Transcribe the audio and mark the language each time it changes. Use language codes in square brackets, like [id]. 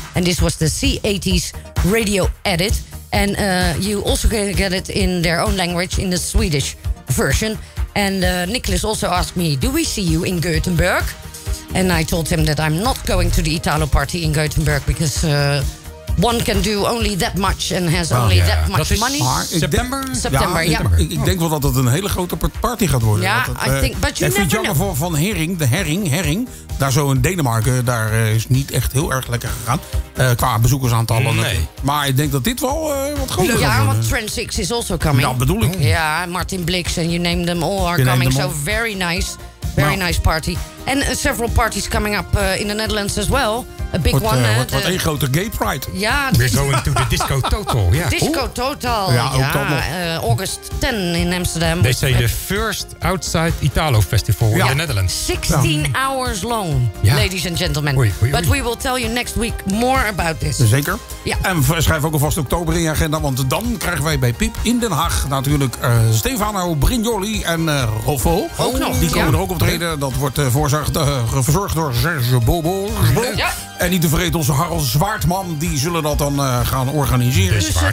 [en] And this was the C80s radio edit. And you also can get it in their own language, in the Swedish version. And Nicholas also asked me, do we see you in Gothenburg? And I told him that I'm not going to the Italo party in Gothenburg because one can do only that much and has only that much money. September? September, ja. [nl] Ik denk wel dat het een hele grote party gaat worden. Ja, dat, [en] I think, but you never know. [nl] Voor Van Herring, de Herring, daar zo in Denemarken, daar is niet echt heel erg lekker gegaan. Qua bezoekersaantallen. Nee. Maar ik denk dat dit wel wat groter gaat worden. Ja, want [en] Trend 6 is also coming. [nl] Ja, bedoel ik. [en] Ja, Martin Blix and you name them all are coming. So very nice. Very nice party. And several parties coming up in the Netherlands as well. A big one. [nl] Wat een grote gay pride. Ja. [en] We're going to the Disco Total. Yeah. [nl] Disco Total. Ja, ook dat nog. [en] August 10 in Amsterdam. They say the first outside Italo festival in the Netherlands. 16 hours long, ladies and gentlemen. [nl] Oei, oei, oei. [en] But we will tell you next week more about this. [nl] Zeker. Yeah. En schrijf ook alvast oktober in je agenda. Want dan krijgen wij bij Pip in Den Haag natuurlijk Stefano Brignoli en Roffo. Ook nog. Die komen er ook optreden. Dat wordt verzorgd door Serge Bobo. En niet te vergeten onze Harald Zwaardman. Die zullen dat dan gaan organiseren.